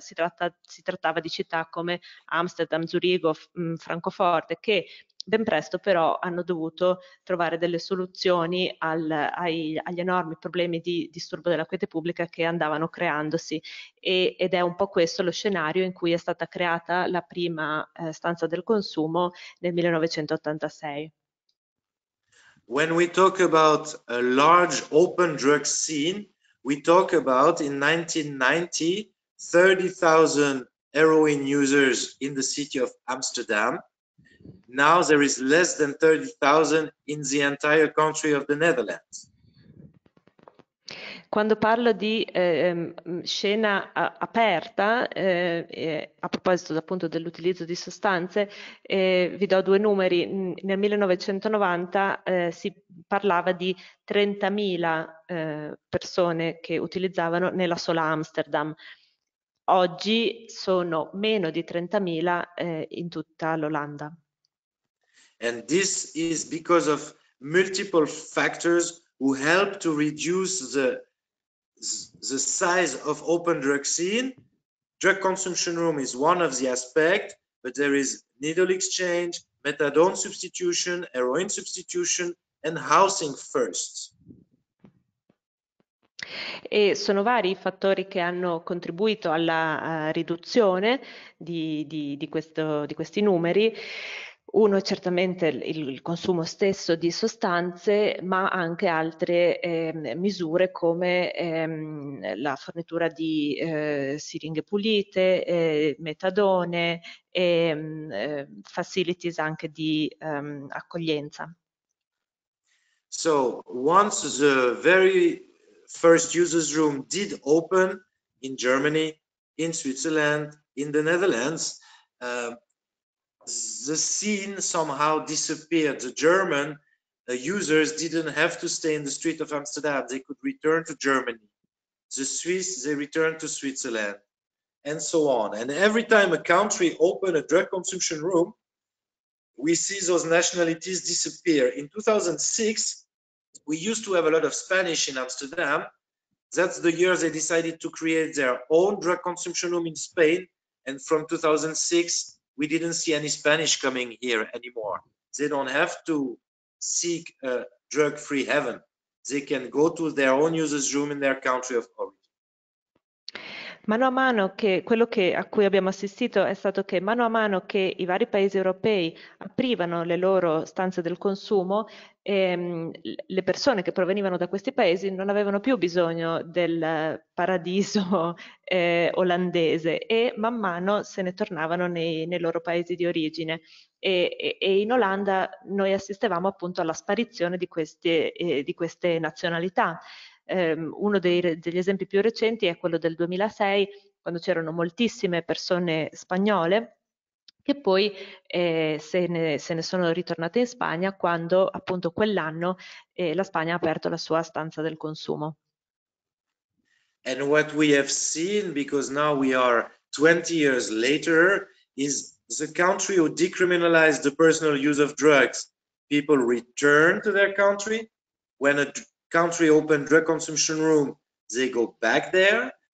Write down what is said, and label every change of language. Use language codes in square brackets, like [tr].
[it] Si trattava di città come Amsterdam, Zurigo, Francoforte, che ben presto però hanno dovuto trovare delle soluzioni agli enormi problemi di disturbo della quiete pubblica che andavano creandosi. Ed è un po' questo lo scenario in cui è stata creata la prima stanza del consumo nel 1986. [en] When we talk about a large open drug scene, we talk about in 1990 30,000 heroin users in the city of Amsterdam. Now there is less than 30,000 in the entire country of the Netherlands. [it] Quando parlo di scena aperta, a proposito appunto dell'utilizzo di sostanze, vi do due numeri. Nel 1990 si parlava di 30.000 persone che utilizzavano nella sola Amsterdam. Oggi sono meno di 30.000 in tutta l'Olanda. [en] And this is because of multiple factors who help to reduce the size of open drug scene. Drug consumption room is one of the aspects, but there is needle exchange, methadone substitution, heroin substitution, and housing first. [it] E sono vari i fattori che hanno contribuito alla riduzione di questi numeri. Uno è certamente il consumo stesso di sostanze, ma anche altre misure come la fornitura di siringhe pulite, metadone e facilities anche di accoglienza. [en] So once the very first users room did open in Germany, in Switzerland, in the Netherlands, the scene somehow disappeared. The German users didn't have to stay in the street of Amsterdam. They could return to Germany. The Swiss, they returned to Switzerland, and so on. And every time a country opened a drug consumption room, we see those nationalities disappear. In 2006, we used to have a lot of Spanish in Amsterdam. That's the year they decided to create their own drug consumption room in Spain. And from 2006, we didn't see any Spanish coming here anymore. They don't have to seek a drug-free heaven. They can go to their own users' room in their country of origin. [it] Mano a mano che quello che, a cui abbiamo assistito è stato che mano a mano che i vari paesi europei aprivano le loro stanze del consumo, le persone che provenivano da questi paesi non avevano più bisogno del paradiso olandese e man mano se ne tornavano nei loro paesi di origine. E in Olanda noi assistevamo appunto alla sparizione di queste nazionalità. Uno degli esempi più recenti è quello del 2006, quando c'erano moltissime persone spagnole che poi se ne sono ritornate in Spagna quando appunto quell'anno la Spagna ha aperto la sua stanza del consumo. [en] And what we have seen, because now we are 20 years later, is the country who decriminalized the personal use of drugs. People return to their country. When a country opened drug consumption room, they go back there.